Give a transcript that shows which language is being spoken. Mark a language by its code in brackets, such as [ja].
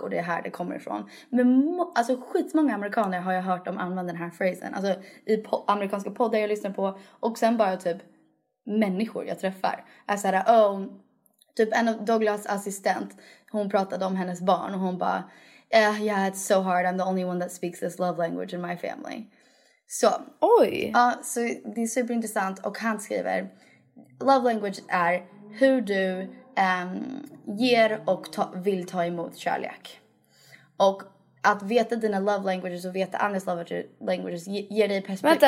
[sv] Och det är här det kommer ifrån. Men alltså skitmånga amerikaner har jag hört om använda den här frasen. Alltså i amerikanska poddar jag lyssnar på. Och sen bara typ människor jag träffar. Alltså här, typ en av Douglas assistent. Hon pratade om hennes barn och hon bara... [en] Yeah, it's so hard. I'm the only one that speaks this love language in my family. So, [sv] oj. Så det är superintressant. Och han skriver, love language är hur du ger och vill ta emot kärlek. Och att veta dina love languages och veta andras love languages ger dig perspektiv.